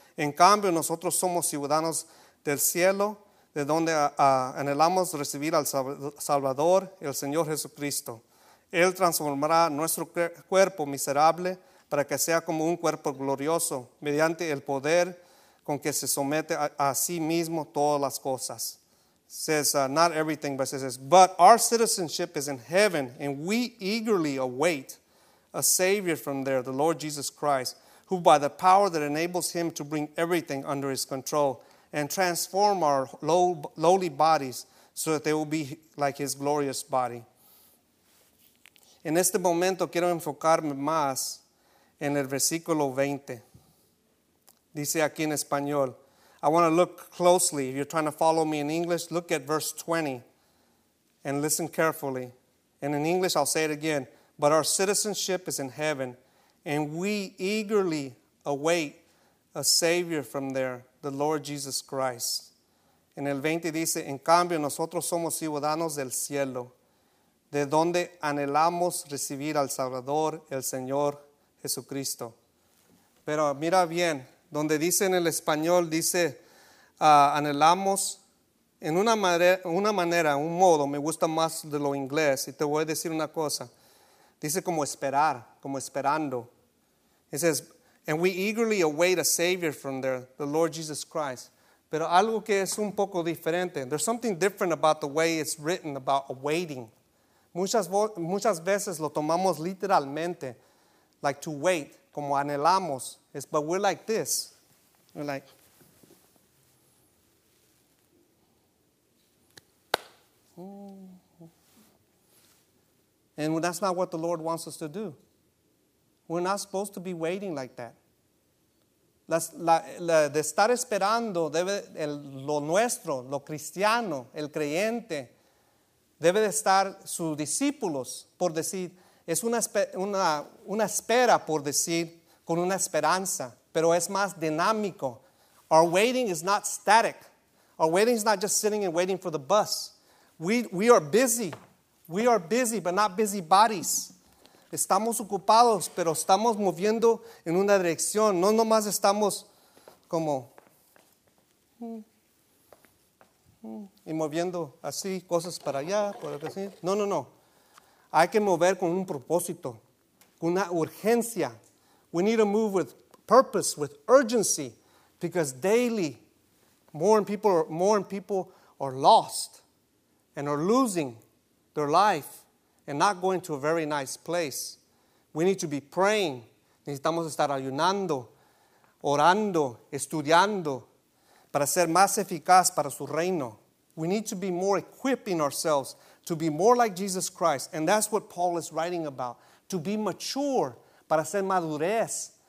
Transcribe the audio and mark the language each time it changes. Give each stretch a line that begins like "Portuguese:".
Spanish: En cambio, nosotros somos ciudadanos del cielo, de donde anhelamos recibir al Salvador, el Señor Jesucristo. Él transformará nuestro cuerpo miserable para que sea como un cuerpo glorioso, mediante el poder con que se somete a sí mismo todas las cosas.
English: It says, not everything, but it says, but our citizenship is in heaven, and we eagerly await a Savior from there, the Lord Jesus Christ, who by the power that enables him to bring everything under his control and transform our lowly bodies so that they will be like his glorious body.
Spanish: En este momento quiero enfocarme más en el versículo 20. Dice aquí en español.
English: I want to look closely. If you're trying to follow me in English, look at verse 20 and listen carefully. And in English, I'll say it again. But our citizenship is in heaven. And we eagerly await a Savior from there, the Lord Jesus Christ.
Spanish: En el 20 dice, en cambio, nosotros somos ciudadanos del cielo, de donde anhelamos recibir al Salvador, el Señor Jesucristo. Pero mira bien, donde dice en el español, dice, anhelamos, en un modo, me gusta más de lo inglés, y te voy a decir una cosa. Dice como esperar, como esperando.
English: It says, and we eagerly await a Savior from there, the Lord Jesus Christ.
Spanish: Pero algo que es un poco diferente.
English: There's something different about the way it's written about awaiting.
Spanish: Muchas veces lo tomamos literalmente.
English: Like to wait,
Spanish: como anhelamos.
English: But we're like this. We're like. And that's not what the Lord wants us to do. We're not supposed to be waiting like that.
Spanish: De estar esperando, lo nuestro, lo cristiano, el creyente, debe de estar sus discípulos, por decir, es una espera, por decir, con una esperanza, pero es más dinámico.
English: Our waiting is not static. Our waiting is not just sitting and waiting for the bus. We are busy. We are busy, but not busy bodies.
Spanish: Estamos ocupados, pero estamos moviendo en una dirección. No nomás estamos como y moviendo así cosas para allá, por así. No. Hay que mover con un propósito, con una urgencia.
English: We need to move with purpose, with urgency, because daily more and people are lost and are losing their life and not going to a very nice place. We need to be praying.
Spanish: Necesitamos estar ayunando, orando, estudiando para ser más eficaz para su reino.
English: We need to be more equipping ourselves to be more like Jesus Christ. And that's what Paul is writing about. To be mature,
Spanish: para ser madurez.